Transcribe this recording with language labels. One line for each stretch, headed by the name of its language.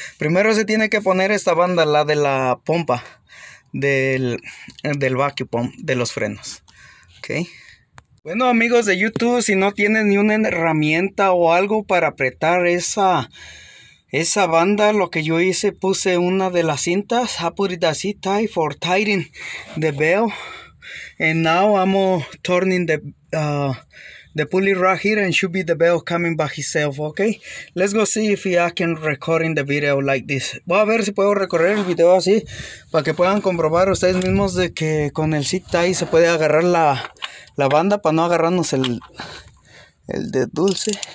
Spanish: Primero se tiene que poner esta banda, la de la pompa, del vacuum pump, de los frenos. Ok. Bueno, amigos de YouTube, si no tienen ni una herramienta o algo para apretar esa banda, lo que yo hice, puse una de las cintas.
English: I put it así tight for tightening the belt. And now I'm turning the pulley right here and should be the belt coming by itself, okay? Let's go see if I can record in the video like this.
Spanish: Voy a ver si puedo recorrer el video así para que puedan comprobar ustedes mismos de que con el zip tie se puede agarrar la banda para no agarrarnos el de dulce.